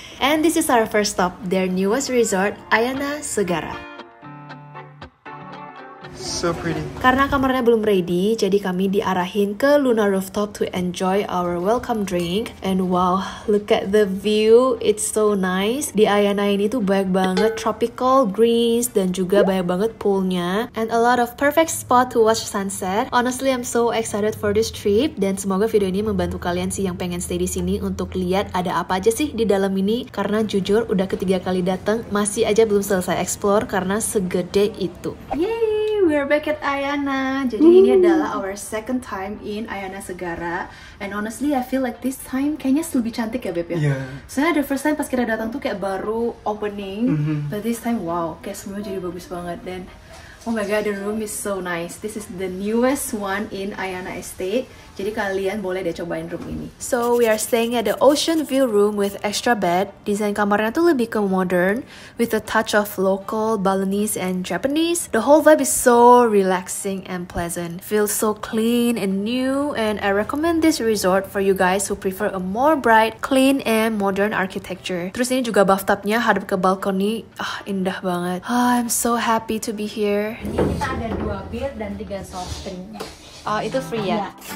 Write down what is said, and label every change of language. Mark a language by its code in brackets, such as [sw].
[en] And this is our first stop, their newest resort, Ayana Segara. So pretty. [id] Karena kamarnya belum ready, jadi kami diarahin ke Luna Rooftop to enjoy our welcome drink. [en] And wow, look at the view, it's so nice. [id] Di Ayana ini tuh banyak banget tropical greens dan juga banyak banget poolnya. [en] And a lot of perfect spot to watch sunset. [id] Honestly, I'm so excited for this trip. Dan semoga video ini membantu kalian sih yang pengen stay di sini untuk lihat ada apa aja sih di dalam ini. Karena jujur, udah ketiga kali datang, masih aja belum selesai explore karena segede itu. Yeay! [en] We're back at Ayana. Jadi ini adalah our second time in Ayana Segara. And honestly, I feel like this time kayaknya lebih cantik ya, Beb ya. Yeah. [id] Soalnya the first time pas kita datang tuh kayak baru opening, but this time wow, kayak semua jadi bagus banget. [en] Dan oh my god, the room is so nice. This is the newest one in Ayana Estate. Jadi kalian boleh deh cobain room ini. So we are staying at the ocean view room with extra bed. Desain kamarnya tuh lebih ke modern, with a touch of local, Balinese, and Japanese. The whole vibe is so relaxing and pleasant. Feels so clean and new. And I recommend this resort for you guys who prefer a more bright, clean, and modern architecture. [id] Terus ini juga bathtubnya hadap ke balkoni. [en] Ah, indah banget. Ah, I'm so happy to be here. [id] Ini kita ada 2 bir dan 3 soft drinknya. Oh, itu free ya?